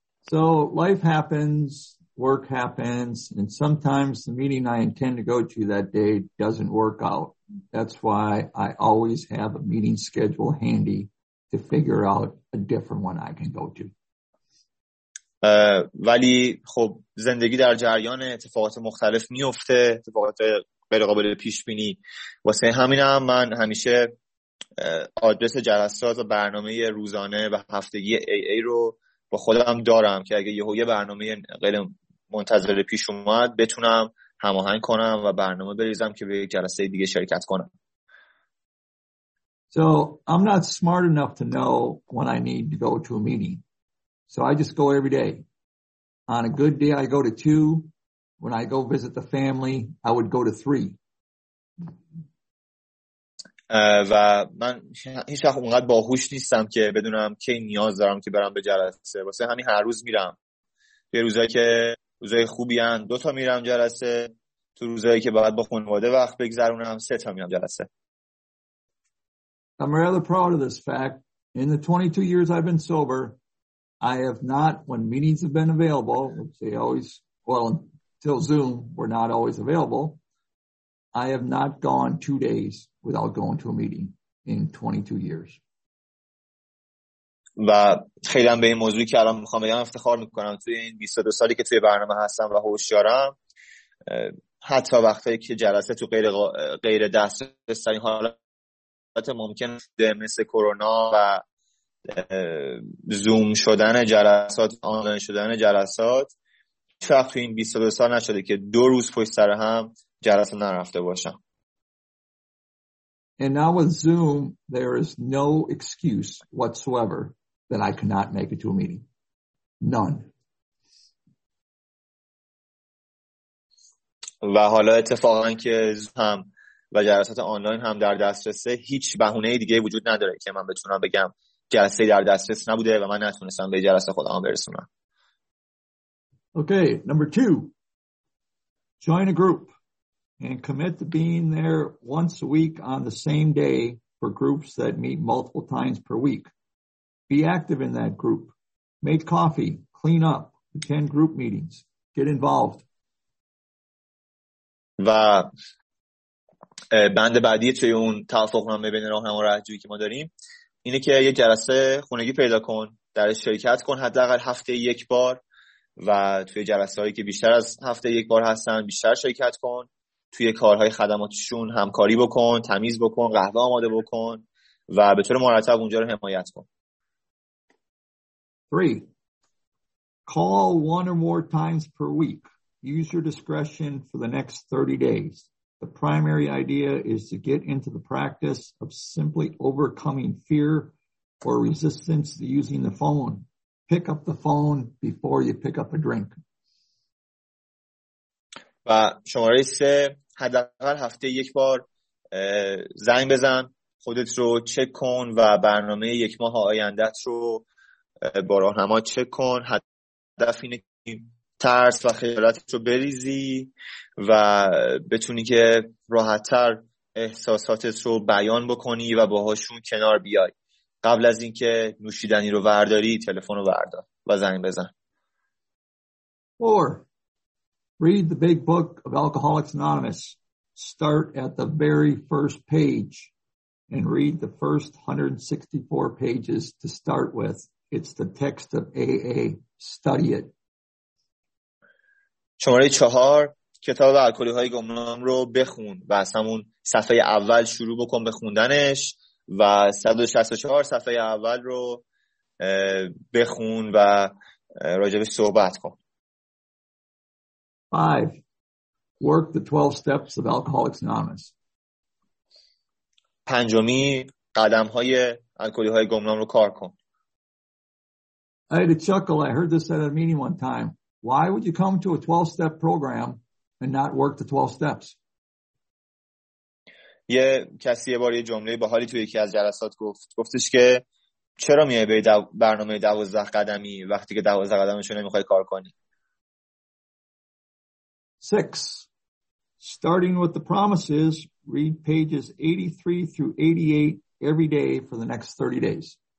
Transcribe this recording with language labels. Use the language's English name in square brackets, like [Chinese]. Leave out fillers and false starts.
[English] So life happens, work happens, and sometimes the meeting I intend to go to that day doesn't work out. That's why I always have a meeting schedule handy to figure out a different one I can go to. [Persian] ولی خب زندگی در جریان اتفاقات مختلف میفته، اتفاقات غیر قابل پیش بینی، واسه همینم من همیشه آدرس جلسات و برنامه روزانه و هفتگی AA رو با خودم دارم که اگه یهو یه برنامه غیر منتظره پیش اومد بتونم هماهنگ کنم و برنامه بریزم که به یک جلسه دیگه شرکت کنم. [English] So I'm not smart enough to know when I need to go to a meeting. So I just go every day. On a good day, I go to 2. When I go visit the family, I would go to 3. [Persian] و من هیچ وقت اونقدر باهوش نیستم که بدونم کی نیاز دارم که برم به جلسه. واسه همین هر روز میرم. یه روزایی که روزای خوبی هن، 2 تا میرم جلسه. تو روزایی که باید با خانواده وقت بگذرونم، 3 تا میرم جلسه. [English] I'm rather proud of this fact. In the 22 years I've been sober, I have not, when meetings have been available, which they always, well, until Zoom, were not always available, I have not gone 2 days without going to a meeting in 22 years. [Persian] و خیلی هم به این موضوعی که الان میخوام بگم افتخار میکنم. توی این 22 سالی که توی برنامه هستم و هوشیارم، حتی وقتی که جلسه تو غیر دسترسی حالات ممکن ده مثل کرونا و زوم شدن جلسات، آنلاین شدن جلسات، وقت تو این 22 سال نشده که دو روز پشت سر هم جلسه نرفته باشم. [English] And now with Zoom, there is no excuse whatsoever that I cannot make it to a meeting. None. [Persian] و حالا اتفاقا که هم و جلسات آنلاین هم در دسترسه، هیچ بهونه دیگه وجود نداره که من بتونم بگم جلسه در دسترس نبوده و من نتونستم به جلسه خودم برسونم. [English] Okay, number two. Join a group and commit to being there once a week on the same day for groups that meet multiple times per week. Be active in that group. Make coffee, clean up, attend group meetings, get involved. [Persian] و بند بعدی توی اون توافقنامه بین راهنما و رهجویی که ما داریم اینه که یه جلسه خانگی پیدا کن، در شرکت کن حداقل هفته یک بار و توی جلسه هایی که بیشتر از هفته یک بار هستن بیشتر شرکت کن، توی کارهای خدماتشون همکاری بکن، تمیز بکن، قهوه آماده بکن و به طور مرتب اونجا رو حمایت کن. [English] 3. Call one or more times per week. Use your discretion for the next 30 days. The primary idea is to get into the practice of simply overcoming fear or resistance to using the phone. Pick up the phone before you pick up a drink. [Persian] و شماره 3، حداقل هفته یک بار زنگ بزن، خودت رو چک کن و برنامه یک ماه آینده‌ت رو با راهنما چک کن. هدف اینه ترس و خجالتت رو بریزی و بتونی که راحت‌تر احساساتت رو بیان بکنی و باهاشون کنار بیای. قبل از اینکه نوشیدنی رو ورداری، تلفن رو وردار و زنگ بزن. [English] 4. Read the big book of Alcoholics Anonymous. Start at the very first page and read the first 164 pages to start with. It's the text of AA. Study it. [Persian] شماره 4، کتاب الکلی‌های گمنام رو بخون و از همون صفحه اول شروع بکن به خوندنش و 164 صفحه اول رو بخون و راجبش صحبت کن. [English] 5. Work the 12 steps of Alcoholics Anonymous. [Persian] پنجمی، قدم‌های الکلی‌های گمنام رو کار کن. [English] I had a chuckle. I heard this at a meeting one time. Why would you come to a 12-step program and not work the 12 steps? [Persian] یه کسی یه بار یه جمله باحالی توی یکی از جلسات گفت. گفتش که چرا میای به برنامه 12 قدمی وقتی که 12 قدمشو نمیخوای کار کنی؟ [English] 6. Starting with the promises, read pages 83 through 88 every day for the next 30 days.